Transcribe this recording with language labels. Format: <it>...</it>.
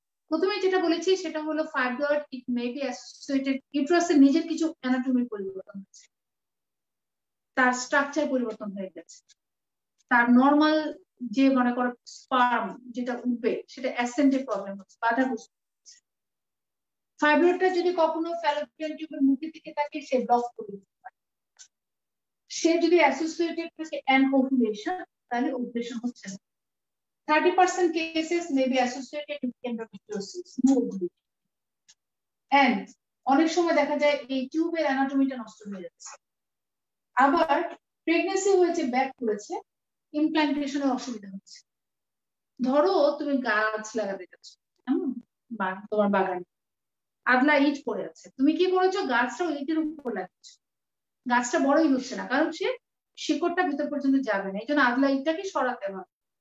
<bn>প্রথমে যেটা বলেছি সেটা হলো fibroid, it may be associated ইউটারাসের নিজের কিছু অ্যানাটমি পরিবর্তন হয়েছে, তার স্ট্রাকচার পরিবর্তন হয়ে গেছে, তার নর্মাল যে মনে করো স্পার্ম যেটা উঠবে সেটা অ্যাসেন্ডের প্রবলেম হচ্ছে, বাধাগ্রস্ত। ফাইব্রয়েডটা যদি কখনো ফ্যালোপিয়ান টিউবের মুখের দিকে থাকে সে ব্লক করে দিতে পারে, সে যদি অ্যাসোসিয়েটেড থাকে অ্যানোভুলেশন তাহলে অপারেশন হচ্ছে না।</bn> <en>30% cases may be associated with endometriosis, no ovulation.</en> <bn>And অনেক সময় দেখা যায় এই টিউবের অ্যানাটমিটা নষ্ট হয়ে যাচ্ছে, আবার প্রেগনেন্সি হয়েছে ব্যাক করেছে ইমপ্ল্যান্টেশনের অসুবিধা হচ্ছে। ধরো তুমি গাছ লাগাতে যাচ্ছ তোমার বাগানে, আদলা ইট পড়ে আছে, তুমি কি করেছো গাছটা ইটের উপর লাগাচ্ছ, গাছটা বড়ই হচ্ছে না কারণ সে শিকড়টা ভিতর পর্যন্ত যাবে না, এই জন্য আদলা ইটটাকে সরাতে হবে।</bn>